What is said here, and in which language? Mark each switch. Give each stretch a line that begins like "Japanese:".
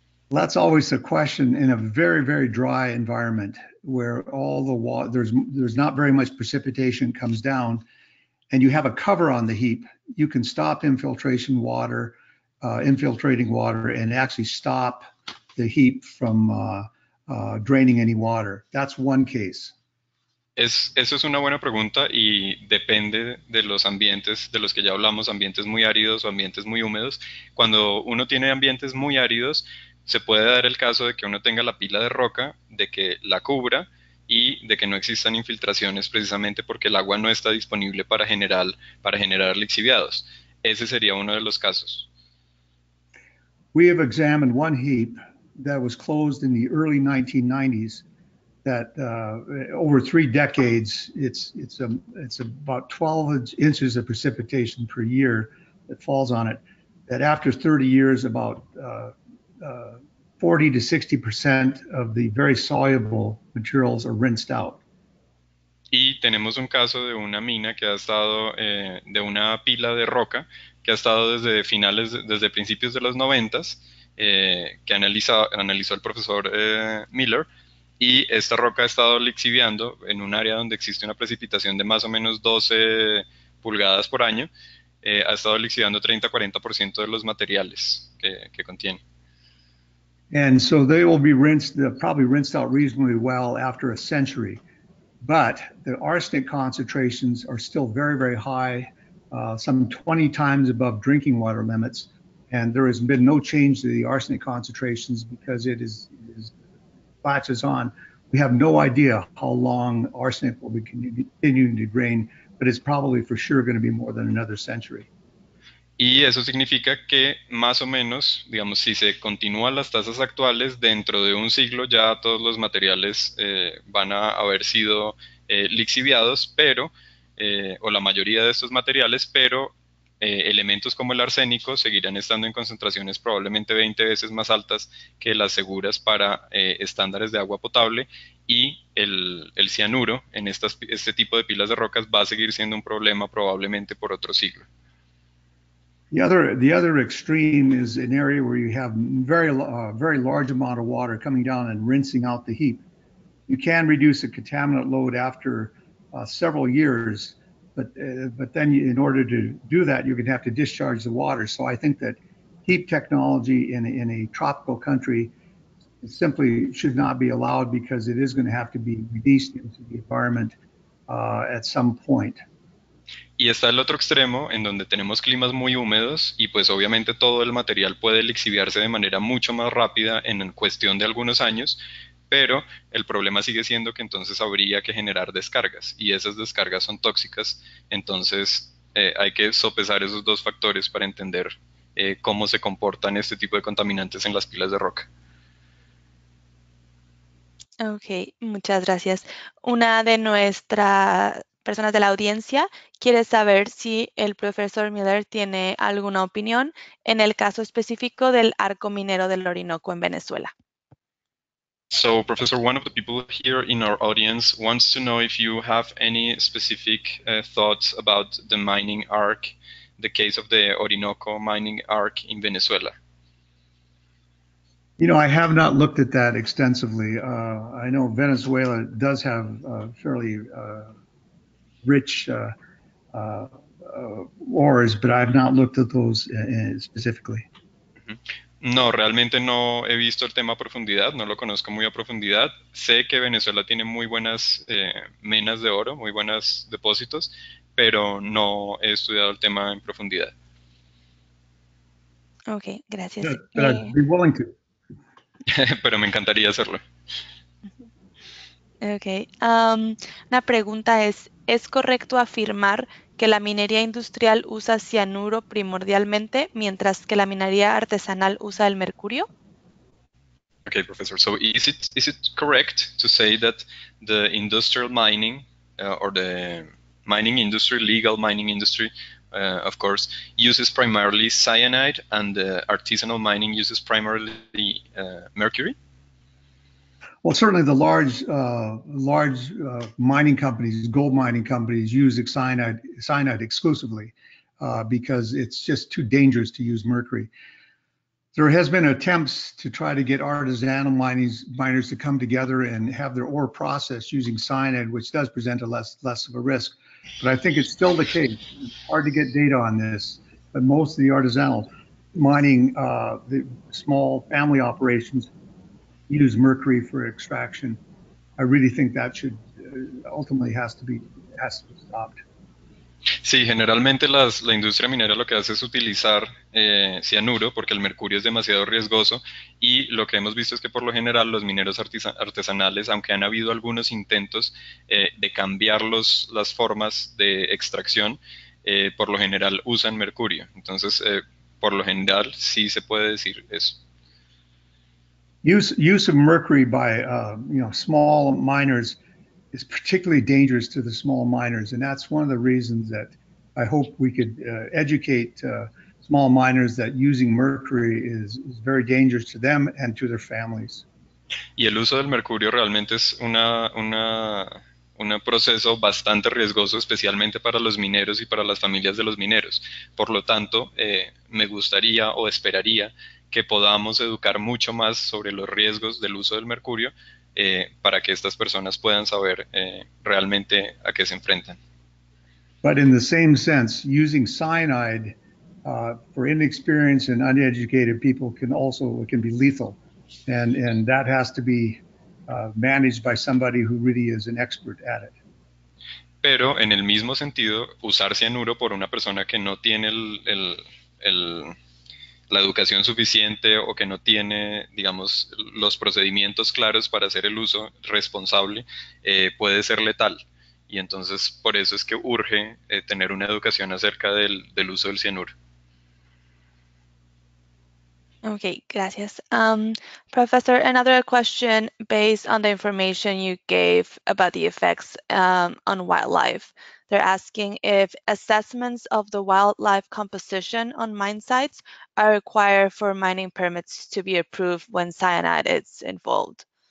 English: That's always a question in a very, very dry environment where all the water, there's not very much precipitation comes down, and you have a cover on the heap, you can stop infiltration water, infiltrating water, and actually stop the heap from draining any water. That's one case.
Spanish: Eso es una buena pregunta y depende de los ambientes de los que ya hablamos, ambientes muy áridos o ambientes muy húmedos. Cuando uno tiene ambientes muy áridos, se puede dar el caso de que uno tenga la pila de roca, de que la cubra y de que no existan infiltraciones precisamente porque el agua no está disponible para generar lixiviados. Ese sería uno de los casos.
English: We have examined one heap that was closed in the early 1990s. That over three decades, it's about 12 inches of precipitation per year that falls on it. That after 30 years, about 40 to 60% of the very soluble materials are rinsed out.
Spanish: Y tenemos un caso de una mina que ha estado, de una pila de roca, que ha estado desde finales, desde principios de los 90s, que analizó el profesor Miller, y esta roca ha estado lixiviando en un área donde existe una precipitación de más o menos 12 pulgadas por año, ha estado lixiviando 30-40% de los materiales que contiene.
English: And so they will be rinsed, probably rinsed out reasonably well after a century. But the arsenic concentrations are still very, very high, some 20 times above drinking water limits. And there has been no change to the arsenic concentrations because it is latches on. We have no idea how long arsenic will be continuing to drain, but it's probably for sure going to be more than another century.
Spanish: Y eso significa que más o menos, digamos, si se continúan las tasas actuales, dentro de un siglo ya todos los materiales van a haber sido lixiviados, pero, o la mayoría de estos materiales, pero elementos como el arsénico seguirán estando en concentraciones probablemente 20 veces más altas que las seguras para estándares de agua potable, y el cianuro en este tipo de pilas de rocas va a seguir siendo un problema probablemente por otro siglo.
English: The other extreme is an area where you have very large amount of water coming down and rinsing out the heap. You can reduce the contaminant load after several years, but then you, in order to do that, you're going to have to discharge the water. So I think that heap technology in a tropical country simply should not be allowed because it is going to have to be released into the environment at some point.
Spanish: Y está el otro extremo, en donde tenemos climas muy húmedos y pues obviamente todo el material puede lixiviarse de manera mucho más rápida en cuestión de algunos años, pero el problema sigue siendo que entonces habría que generar descargas y esas descargas son tóxicas, entonces hay que sopesar esos dos factores para entender cómo se comportan este tipo de contaminantes en las pilas de roca. Ok, muchas gracias. Una de nuestras personas de la audiencia quiere saber si el profesor Miller tiene alguna opinión en el caso específico del arco minero del Orinoco en Venezuela.
English: So, Professor, one of the people here in our audience wants to know if you have any specific thoughts about the mining arc, the case of the Orinoco mining arc in Venezuela. You know, I have not looked at that extensively. I know Venezuela does have fairly rich ores, but I've not looked at those specifically.
Spanish: No, realmente no he visto el tema a profundidad, no lo conozco muy a profundidad. Sé que Venezuela tiene muy buenas menas de oro, muy buenos depósitos, pero no he estudiado el tema en profundidad. Okay, gracias.
English: Yeah, but I'd be willing to.
Spanish: Pero me encantaría hacerlo. Okay. Una pregunta es, ¿es correcto afirmar que la minería industrial usa cianuro primordialmente, mientras que la minería artesanal usa el mercurio?
English: Okay, Professor. So is it correct to say that the industrial mining or the mining industry, legal mining industry, of course, uses primarily cyanide and the artisanal mining uses primarily mercury? Well, certainly the large mining companies, gold mining companies, use cyanide exclusively because it's just too dangerous to use mercury. There has been attempts to try to get artisanal miners to come together and have their ore processed using cyanide, which does present a less of a risk. But I think it's still the case. It's hard to get data on this, but most of the artisanal mining, the small family operations, use mercury for extraction. I really think that should ultimately has to be stopped.
Spanish: Sí, generalmente la industria minera lo que hace es utilizar cianuro porque el mercurio es demasiado riesgoso, y lo que hemos visto es que por lo general los mineros artesanales, aunque han habido algunos intentos de cambiar las formas de extracción, por lo general usan mercurio. Entonces, por lo general sí se puede decir eso.
English: Use of mercury by small miners is particularly dangerous to the small miners, and that's one of the reasons that I hope we could educate small miners that using mercury is very dangerous to them and to their families.
Spanish: Y el uso del mercurio realmente es un proceso bastante riesgoso, especialmente para los mineros y para las familias de los mineros. Por lo tanto, me gustaría o esperaría que podamos educar mucho más sobre los riesgos del uso del mercurio para que estas personas puedan saber realmente a qué se enfrentan.
English: But in the same sense, using cyanide for inexperienced and uneducated people can also can be lethal. And that has to be managed by somebody who really is an expert at it.
Spanish: Pero en el mismo sentido, usar cianuro por una persona que no tiene la educación suficiente o que no tiene, digamos, los procedimientos claros para hacer el uso responsable, puede ser letal. Y entonces, por eso es que urge tener una educación acerca del uso del cianuro. Okay, gracias.
English: Professor, another question based on the information you gave about the effects on wildlife. They're asking if assessments of the wildlife composition on mine sites are required for mining permits to be approved when cyanide is involved.